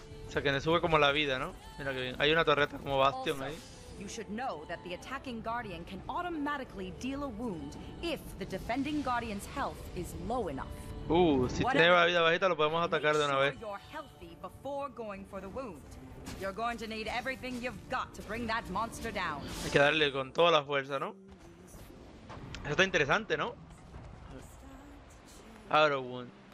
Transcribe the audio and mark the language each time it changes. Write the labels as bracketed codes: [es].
[es] O sea, que le sube como la vida, ¿no? Mira que bien. Hay una torreta como bastión ahí. [en] You should know that the attacking guardian can automatically deal a wound if the defending guardian's health is low enough. [es] Si tiene la vida bajita lo podemos atacar de una vez. [en] You're healthy before going for the wound. You're going to need everything you've got to bring that monster down. [es] Hay que darle con toda la fuerza, ¿no? Eso está interesante, ¿no? [en] Arrow wound.